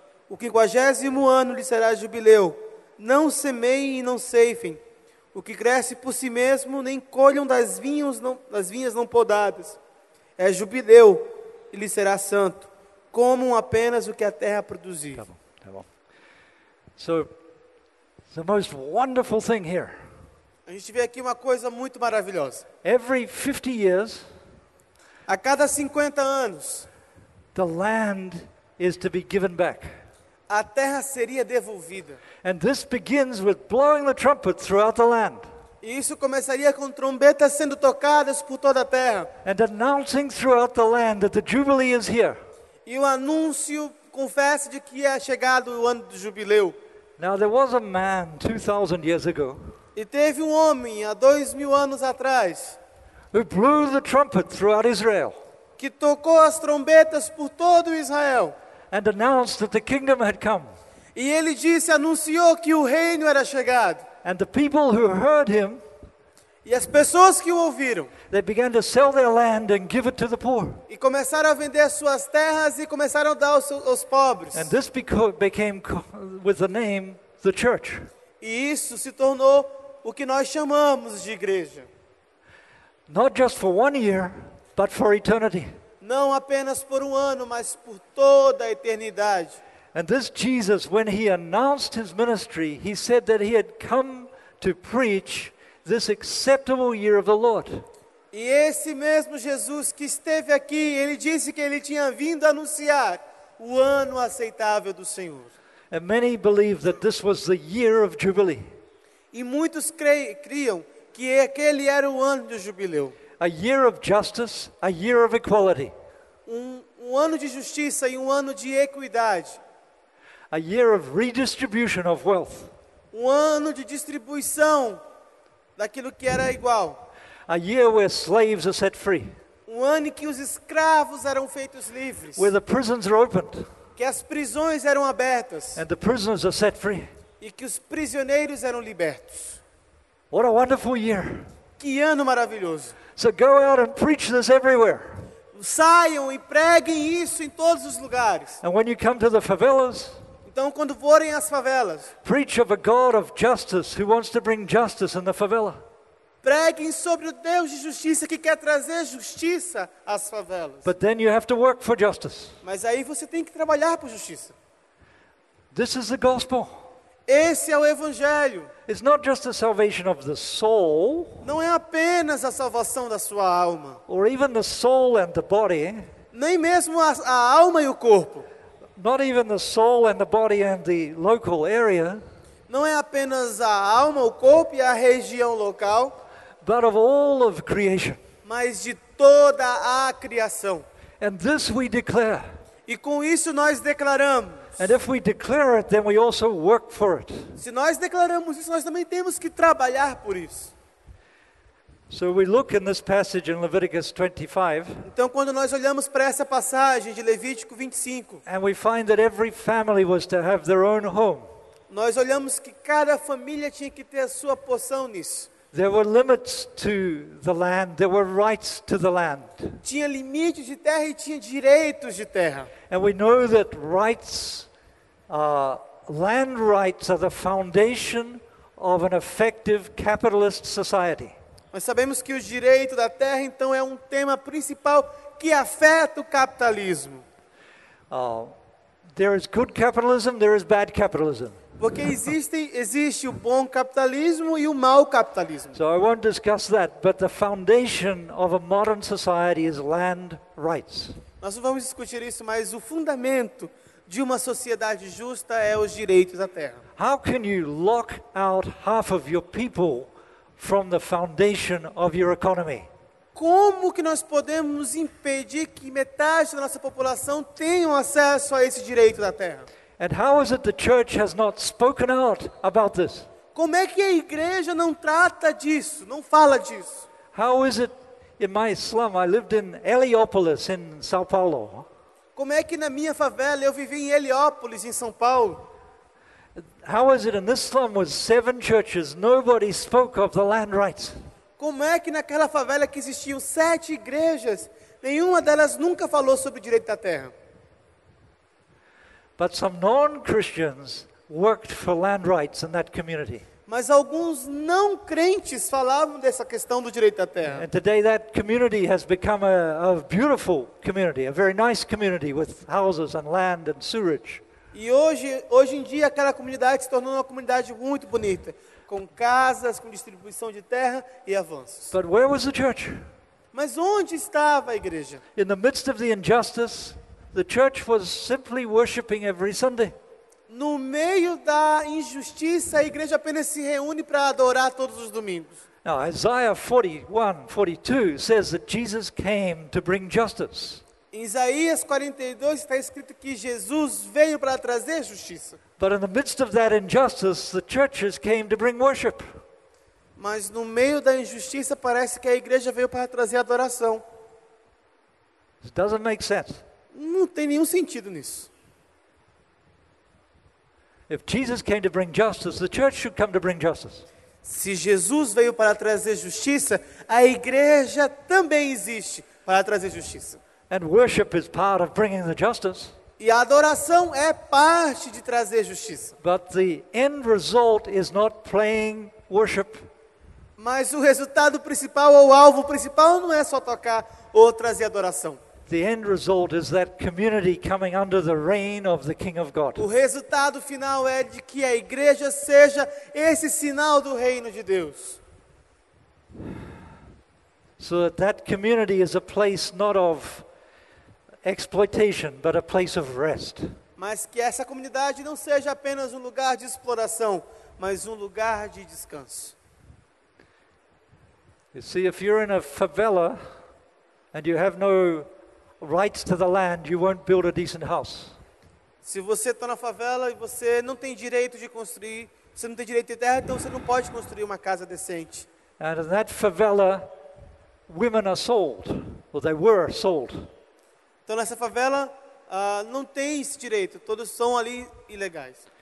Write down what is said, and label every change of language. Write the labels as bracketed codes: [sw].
[pt] O 50º ano lhe será jubileu. Não semeiem e não ceifem. O que cresce por si mesmo, nem colham das vinhas não podadas. É jubileu, ele será santo. Comam apenas o que a terra produzir. Tá bom, tá bom. [en] So, the most wonderful thing here. [pt] A gente vê aqui uma coisa muito maravilhosa. [en] Every 50 years, [pt] a cada 50 anos, [en] the land is to be given back. [pt] A terra seria devolvida. [en] And this begins with blowing the trumpet throughout the land. [pt] E isso começaria com trombetas sendo tocadas por toda a terra. [en] And announcing throughout the land that the jubilee is here. [pt] E o anúncio confessa de que é chegado o ano do jubileu. [en] Now there was a man 2000 years ago. [pt] E teve um homem há 2000 anos atrás. [en] Who blew the trumpet throughout Israel. [pt] Que tocou as trombetas por todo Israel. [en] And announced that the kingdom had come. [pt] E ele disse, anunciou que o reino era chegado. [en] And the people who heard him, [pt] e as pessoas que o ouviram, [en] they began to sell their land and give it to the poor. [pt] E começaram a vender suas terras e começaram a dar aos pobres. [en] And this became with the name the church. [pt] E isso se tornou o que nós chamamos de igreja. [en] Not just for 1 year, but for eternity. [pt] Não apenas por um ano, mas por toda a eternidade. [en] And this Jesus, when he announced his ministry, he said that he had come to preach this acceptable year of the Lord. [pt] E esse mesmo Jesus que esteve aqui, ele disse que ele tinha vindo anunciar o ano aceitável do Senhor. [en] And many believe that this was the year of jubilee. [pt] E muitos criam que aquele era o ano do jubileu. [en] A year of justice, a year of equality. [pt] Um ano de justiça e um ano de equidade. [en] A year of redistribution of wealth. [pt] Um ano de distribuição daquilo que era igual. [en] A year where slaves are set free. [pt] Um ano em que os escravos eram feitos livres. [en] Where the prisons are opened. [pt] Que as prisões eram abertas. [en] And the prisoners are set free. [pt] E que os prisioneiros eram libertos. [en] What a wonderful year. [pt] Que ano maravilhoso. [en] So go out and preach this everywhere. [pt] Saiam e preguem isso em todos os lugares. [en] And when you come to the favelas, [pt] então quando forem às favelas, [en] preach of a God of justice who wants to bring justice in the favela. [pt] Preguem sobre o Deus de justiça que quer trazer justiça às favelas. [en] But then you have to work for justice. [pt] Mas aí você tem que trabalhar por justiça. [en] This is the gospel. [pt] Esse é o evangelho. [en] It's not just the salvation of the soul. [pt] Não é apenas a salvação da sua alma. [en] Or even the soul and the body. [pt] Nem mesmo a alma e o corpo. [en] Not even the soul and the body and the local area. [pt] Não é apenas a alma, o corpo e a região local. [en] But of all of creation. [pt] Mas de toda a criação. [en] And this we declare. [pt] E com isso nós declaramos. [en] And if we declare it, then we also work for it. [pt] Se nós declaramos isso, nós também temos que trabalhar por isso. [en] So we look in this passage in Leviticus 25. [pt] Então quando nós olhamos para essa passagem de Levítico 25. [en] And we find that every family was to have their own home. [pt] Nós olhamos que cada família tinha que ter a sua porção nisso. [en] There were limits to the land, there were rights to the land. [pt] Tinha limites de terra e tinha direitos de terra. [en] And we know that rights, land rights are the foundation of an effective capitalist society. [pt] Nós sabemos que o direito da terra então é um tema principal que afeta o capitalismo. [en] There is good capitalism, there is bad capitalism. [pt] Porque existe o bom capitalismo e o mau capitalismo. [en] So I won't discuss that, but the foundation of a modern society is land rights. [pt] Nós não vamos discutir isso, mas o fundamento de uma sociedade justa é os direitos da terra. [en] How can you lock out half of your people from the foundation of your economy? [pt] Como que nós podemos impedir que metade da nossa população tenha acesso a esse direito da terra? [en] And how is it the church has not spoken out about this? [pt] Como é que a igreja não trata disso, não fala disso? [en] How is it in my slum? I lived in Heliópolis in São Paulo. [pt] Como é que na minha favela eu vivi em Heliópolis em São Paulo? [en] How is it in this slum with 7 churches nobody spoke of the land rights? [pt] Como é que naquela favela que existiam 7 igrejas, nenhuma delas nunca falou sobre o direito da terra? [en] But some non-Christians worked for land rights in that community. [pt] Mas alguns não crentes falavam dessa questão do direito à terra. [en] And today that community has become a beautiful community, a very nice community with houses and land and sewage. [pt] E hoje em dia aquela comunidade se tornou uma comunidade muito bonita, com casas, com distribuição de terra e avanços. [en] But where was the church? [pt] Mas onde estava a igreja? [en] In the midst of the injustice, the church was simply worshiping every Sunday. [pt] No meio da injustiça, a igreja apenas se reúne para adorar todos os domingos. [en] Now, Isaiah 41, 42 says that Jesus came to bring justice. [pt] Em Isaías 42 está escrito que Jesus veio para trazer justiça. [en] But in the midst of that injustice, the churches came to bring worship. [pt] Mas no meio da injustiça parece que a igreja veio para trazer adoração. [en] It doesn't make sense. [pt] Não tem nenhum sentido nisso. [en] If Jesus came to bring justice, the church should come to bring justice. [pt] Se Jesus veio para trazer justiça, a igreja também existe para trazer justiça. [en] And worship is part of bringing the justice. [pt] E a adoração é parte de trazer justiça. [en] But the end result is not playing worship. [pt] Mas o resultado principal ou o alvo principal não é só tocar ou trazer adoração. [en] The end result is that community coming under the reign of the King of God. [pt] O resultado final é de que a igreja seja esse sinal do reino de Deus. [en] So that community is a place not of exploitation, but a place of rest. [pt] Mas que essa comunidade não seja apenas um lugar de exploração, mas um lugar de descanso. [en] You see, if you're in a favela and you have no rights to the land, you won't build a decent house. [pt] Se você está na favela e você não tem direito de construir, você não tem direito de terra, então você não pode construir uma casa decente. [en] And in that favela, women are sold, or they were sold. [pt] Então nessa favela, não tem esse direito, todos são ali ilegais.